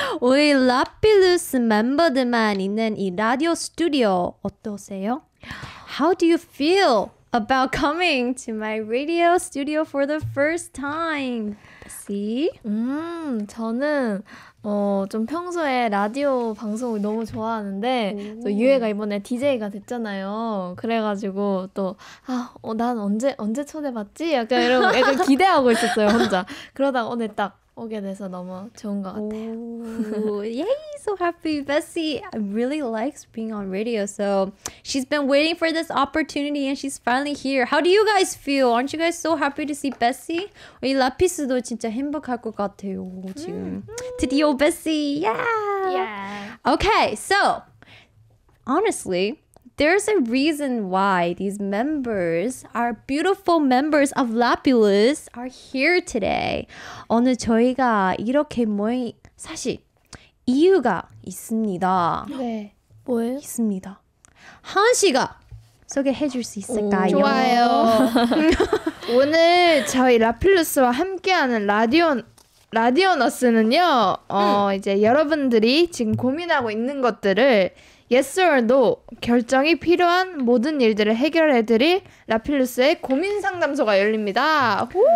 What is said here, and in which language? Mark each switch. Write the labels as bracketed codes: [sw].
[ko] 우리 라필루스 멤버들만 있는 이 라디오 스튜디오 어떠세요? [en] How do you feel about coming to my radio studio for the first time? See? [ko] 저는 좀 평소에 라디오 방송을 너무 좋아하는데 또 유해가 이번에 DJ가 됐잖아요. 그래가지고 또 난 언제 초대받지? 약간 이런 애들 기대하고 있었어요 혼자. 그러다가 오늘 딱 오게 돼서 너무 좋은 것 같아요. [en] Yay, so happy. Bessie really likes being on radio. So she's been waiting for this opportunity and she's finally here. How do you guys feel? Aren't you guys so happy to see Bessie? [ko] 이 라피스도 진짜 행복할 것 같아요, 지금. 드디어 Bessie, yeah! [en] Okay, so honestly, there's a reason why these members, our beautiful members of Lapulus, are here today. [ko] 오늘 저희가 이렇게 모인 사실 이유가 있습니다. 네, 뭐예요? 있습니다. 한 씨가 소개해 줄 수 있을까요? 좋아요. 오늘 저희 라필루스와 함께하는 라디오너스는요, 이제 여러분들이 지금 고민하고 있는 것들을 [en] Yes or No, [ko] 결정이 필요한 모든 일들을 해결해드릴 라필루스의 고민 상담소가 열립니다.